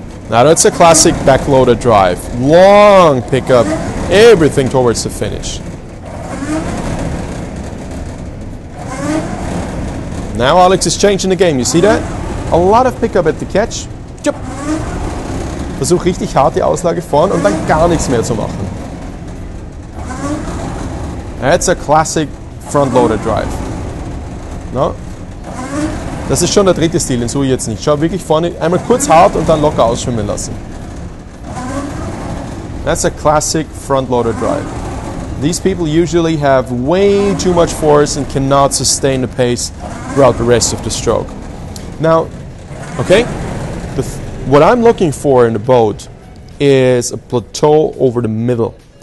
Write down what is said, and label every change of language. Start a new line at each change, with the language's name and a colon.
English: Now that's a classic back-loaded drive. Long pickup, everything towards the finish. Now Alex is changing the game, you see that? A lot of pickup at the catch. Jump.
German: Versuch richtig hart die Auslage vorn und dann gar nichts mehr zu machen.
English: That's a classic front-loaded drive. No?
German: Das ist schon der dritte Stil, den suche ich jetzt nicht. Schau wirklich vorne, einmal kurz hart und dann locker ausschwimmen lassen.
English: That's a classic front-loaded drive. These people usually have way too much force and cannot sustain the pace throughout the rest of the stroke. Now, okay, what I'm looking for in the boat is a plateau over the middle.